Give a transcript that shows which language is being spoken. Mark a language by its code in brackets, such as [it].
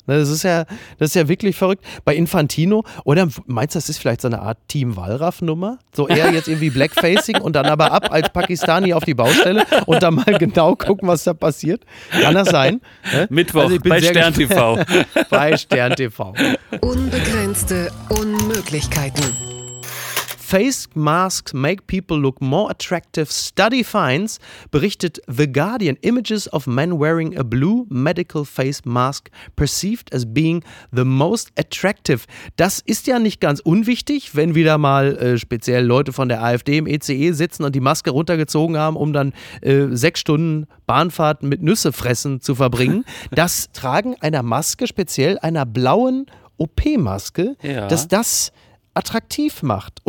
[de] Das ist ja wirklich verrückt. Bei Infantino, oder meinst du, das ist vielleicht so eine Art Team-Wallraff-Nummer? So eher jetzt irgendwie Blackfacing und dann aber ab als Pakistani auf die Baustelle und dann mal genau gucken, was da passiert? Kann das sein? Mittwoch, also bei Stern-TV. Bei Stern-TV. Unbegrenzte Unmöglichkeiten. [en] Face masks make people look more attractive. Study finds, [de] berichtet [en] The Guardian. Images of men wearing a blue medical face mask perceived as being the most attractive. [de] Das ist ja nicht ganz unwichtig, wenn wieder mal speziell Leute von der AfD im ECE sitzen und die Maske runtergezogen haben, um dann 6 Stunden Bahnfahrt mit Nüsse fressen zu verbringen. Das Tragen einer Maske, speziell einer blauen OP-Maske, dass das attraktiv macht.